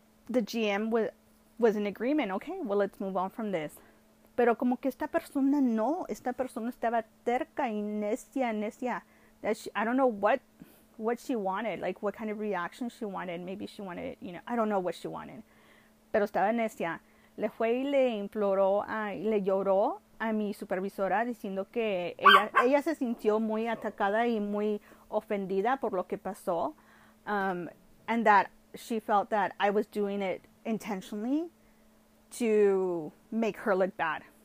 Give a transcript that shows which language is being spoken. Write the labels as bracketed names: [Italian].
[English] The GM was in agreement. Okay, well, let's move on from this. [Spanish] Pero como que esta persona no. Esta persona estaba terca y necia. [English] That she, I don't know what she wanted. Like, what kind of reaction she wanted. Maybe she wanted, you know, I don't know what she wanted. [Spanish] Pero estaba necia. le fue y le imploró y le lloró a mi supervisora diciendo que ella se sintió muy atacada y muy ofendida por lo que pasó. [English] And that she felt that I was doing it intentionally to make her look bad.